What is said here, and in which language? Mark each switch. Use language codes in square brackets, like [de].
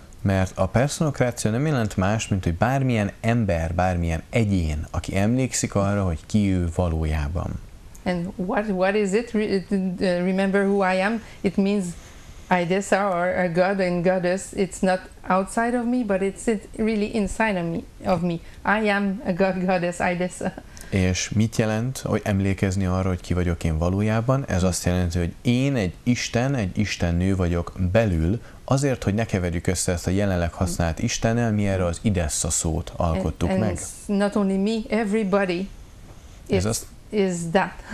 [hu] Mert a perszonokrácia nem jelent más, mint hogy bármilyen ember, bármilyen egyén, aki emlékszik arra, hogy ki ő valójában. [en] And what is it? Remember who I am? It means Idessa or a god and goddess. It's not outside of me, but it's really inside of me. I am a god, goddess, Idessa. [hu] És mit jelent, hogy emlékezni arra, hogy ki vagyok én valójában? Ez azt jelenti, hogy én egy istennő vagyok belül, azért, hogy ne keverjük össze ezt a jelenleg használt Istennel, mi erre az Idessa szót alkottuk [en] and [hu] meg. [en] And not only me, everybody is that.